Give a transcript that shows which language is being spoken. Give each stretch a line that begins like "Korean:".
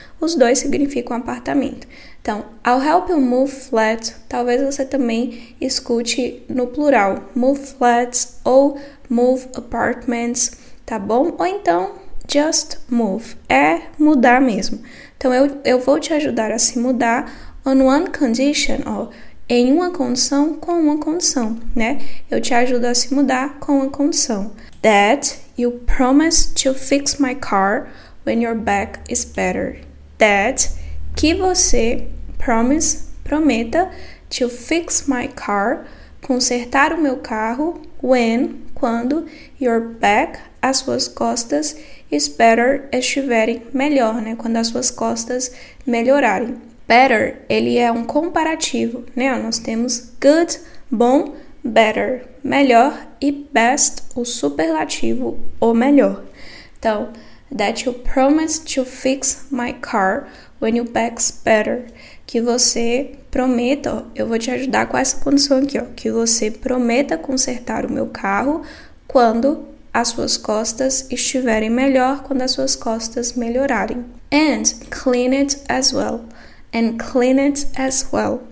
Portuguese: Os dois significam apartamento. Então,
English: I'll help you move flat,
Portuguese: talvez você também escute no plural,
English: move flats
Portuguese: ou
English: move apartments,
Portuguese: tá bom? Ou então,
English: just move,
Portuguese: é mudar mesmo. Então, eu vou te ajudar a se mudar
English: on one condition,
Portuguese: ó, em uma condição, com uma condição, né? Eu te ajudo a se mudar com uma condição.
English: That you promise to fix my car when your back is better. That,
Portuguese: que você promise, prometa,
English: to fix my car,
Portuguese: consertar o meu carro, when, quando,
English: your back,
Portuguese: as suas costas,
English: is better,
Portuguese: estiverem melhor, né? Quando as suas costas melhorarem. Better, ele é um comparativo, né? Nós temos good, bom, better, melhor, e best, o superlativo, o melhor.
English: Então, that you promise to fix my car when your back's better.
Portuguese: Que você prometa, ó, eu vou te ajudar com essa condição aqui, ó. Que você prometa consertar o meu carro quando as suas costas estiverem melhor, quando as suas costas melhorarem.
English: And clean it as well. And clean it as well.